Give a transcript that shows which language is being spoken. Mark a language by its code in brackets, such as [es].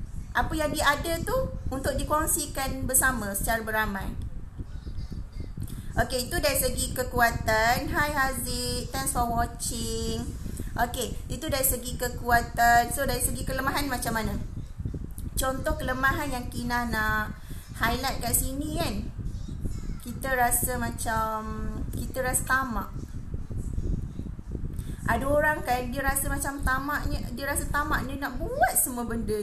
[ms] Apa yang dia ada tu untuk dikongsikan bersama secara beramai. Okay, itu dari segi kekuatan. [en] Hi Haziq, thanks for watching. [ms] Okay, itu dari segi kekuatan. So dari segi kelemahan macam mana? Contoh kelemahan yang Kinah nak highlight kat sini kan, kita rasa macam, kita rasa tamak. Ada orang kan, dia rasa macam tamaknya, dia rasa tamaknya nak buat semua benda.